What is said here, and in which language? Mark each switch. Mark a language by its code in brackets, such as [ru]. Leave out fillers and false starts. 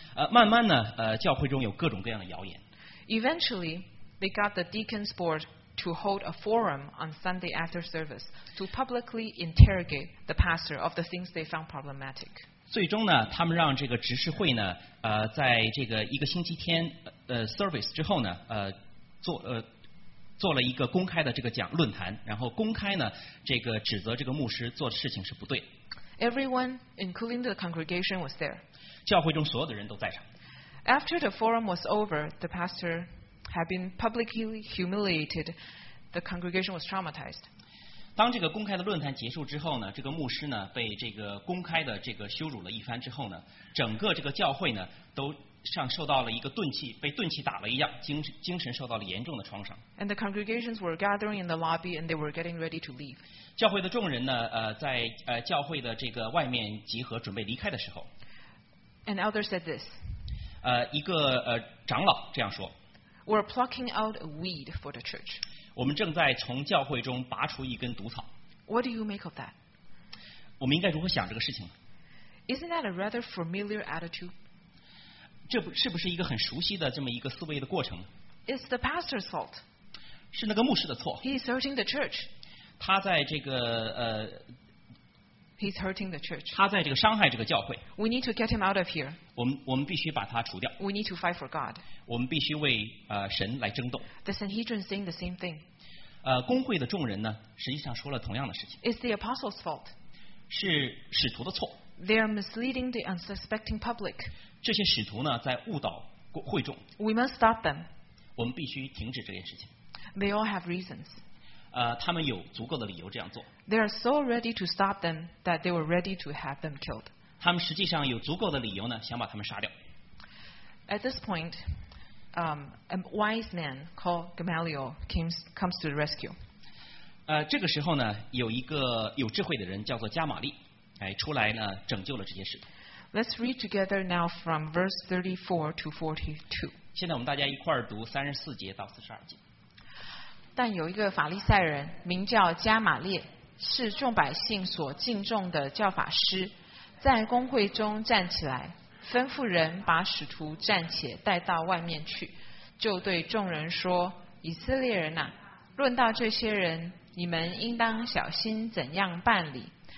[zh] 慢慢呢，教会中有各种各样的谣言。 [en] Eventually, they got the deacon's board to hold a forum on Sunday after service to publicly interrogate the pastor of the things they found problematic. [zh] 最终呢，他们让这个执事会呢，在这个一个星期天service 之后呢，做了一个公开的这个论坛，然后公开呢，这个指责这个牧师做的事情是不对。 [en] Everyone, including the congregation, was there. [zh] 教会中所有的人都在场。 [en] After the forum was over, the pastor had been publicly humiliated. The congregation was traumatized. [zh] 当这个公开的论坛结束之后呢，这个牧师呢被这个公开的这个羞辱了一番之后呢，整个这个教会呢都像受到了一个钝器，被钝器打了一样，精神受到了严重的创伤。 [en] And the congregations were gathering in the lobby, and they were getting ready to leave. [zh] 教会的众人呢，在教会的这个外面集合，准备离开的时候。 [en] An elder said this. [zh] 一个长老这样说。 [en] We're plucking out a weed for the church. [zh] 我们正在从教会中拔出一根毒草。 [en] What do you make of that? [zh] 我们应该如何想这个事情？ [en] Isn't that a rather familiar attitude? [zh] 这不是不是一个很熟悉的这么一个思维的过程？ [en] It's the pastor's fault. [zh] 是那个牧师的错。 [en] He's hurting the church. [zh] 他在这个 [en] He's hurting the church. [zh] 他在这个伤害这个教会。 [en] We need to get him out of here. [zh] 我们必须把他除掉。 [en] We need to fight for God. [zh] 我们必须为神来争斗。 [en] The Sanhedrin is saying the same thing. [zh] 公会的众人呢，实际上说了同样的事情。 [en] It's the apostles' fault. [zh] 是使徒的错。 [en] They're misleading the unsuspecting public. [zh] 这些使徒呢，在误导会众。 [en] We must stop them. [zh] 我们必须停止这件事情。 [en] They all have reasons. [zh] 他们有足够的理由这样做。 [en] They are so ready to stop them that they were ready to have them killed. [zh] 他们实际上有足够的理由呢，想把他们杀掉。 [en] At this point, a wise man called Gamaliel comes to the rescue. [zh] 这个时候呢，有一个有智慧的人叫做加玛利，哎，出来呢拯救了这些使徒。 [en] Let's read together now from verse 34 to 42. [zh] 现在我们大家一块儿读34节到42节。但有一个法利赛人名叫加玛列，是众百姓所敬重的教法师，在公会中站起来，吩咐人把使徒暂且带到外面去，就对众人说：以色列人啊，论到这些人，你们应当小心怎样办理。